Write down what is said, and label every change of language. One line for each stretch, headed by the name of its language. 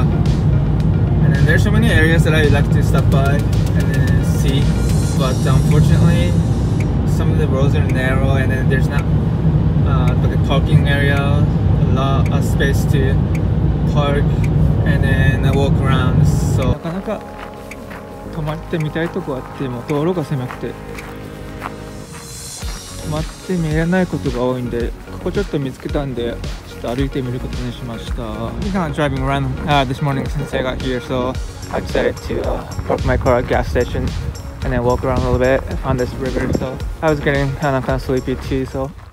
English: And then there's so many areas that I like to stop by and then see, but unfortunately,some of the roads are narrow and then there's not like a parking area, a lot of space to park and then walk around. So
Japanese: なかなか泊まってみたいとこあっても道路が狭くて泊まって見えないことが多いんで、ここちょっと見つけたんでちょっと歩いてみることにしました。
English: We're kind of driving around this morning since I got here, so I decided to park my car at gas stationand then walk around a little bit. I found this river, so I was getting kind of sleepy too, so.